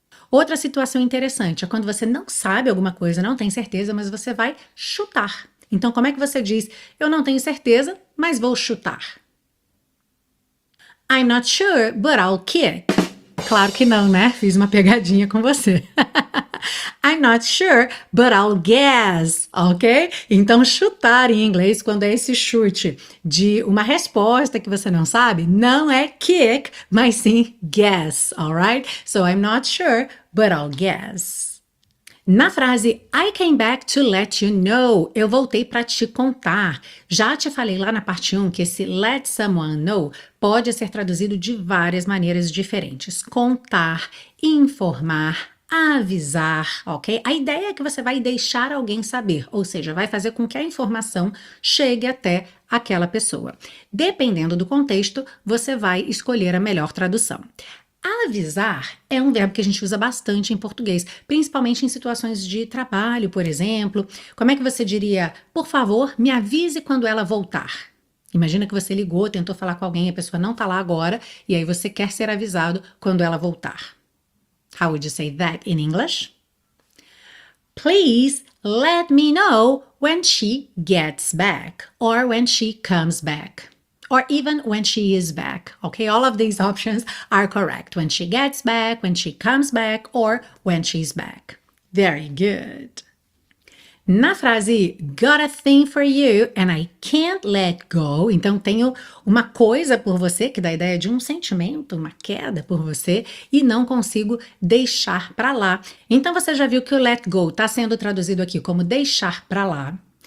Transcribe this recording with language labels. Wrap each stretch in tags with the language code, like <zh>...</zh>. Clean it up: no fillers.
<pt>Outra situação interessante é quando você não sabe alguma coisa, não tem certeza, mas você vai chutar. Então, como é que você diz: eu não tenho certeza, mas vou chutar?</pt> <en>I'm not sure, but I'll kick.</en> <pt>Claro que não, né? Fiz uma pegadinha com você.</pt> <en>I'm not sure, but I'll guess, ok?</en> <pt>Então, chutar em inglês, quando é esse chute de uma resposta que você não sabe, não é kick, mas sim guess, alright?</pt> <en>So I'm not sure, but I'll guess.</en> <pt>Na frase</pt> <en>I came back to let you know,</en> <pt>eu voltei para te contar. Já te falei lá na parte 1 que esse</pt> <en>let someone know</en> <pt>pode ser traduzido de várias maneiras diferentes: contar, informar, avisar, ok? A ideia é que você vai deixar alguém saber, ou seja, vai fazer com que a informação chegue até aquela pessoa. Dependendo do contexto, você vai escolher a melhor tradução. Avisar é um verbo que a gente usa bastante em português, principalmente em situações de trabalho, por exemplo. Como é que você diria, por favor, me avise quando ela voltar? Imagina que você ligou, tentou falar com alguém, a pessoa não está lá agora, e aí você quer ser avisado quando ela voltar.</pt> <en>How would you say that in English? Please let me know when she gets back, or when she comes back, or even when she is back. Okay, all of these options are correct. When she gets back, when she comes back, or when she's back. Very good.</en> <pt>Na frase</pt> <en>got a thing for you and I can't let go,</en> <pt>então tenho uma coisa por você, que dá a ideia de um sentimento, uma queda por você, e não consigo deixar para lá. Então você já viu que o</pt> <en>let go</en> <pt>está sendo traduzido aqui como deixar para lá.</pt>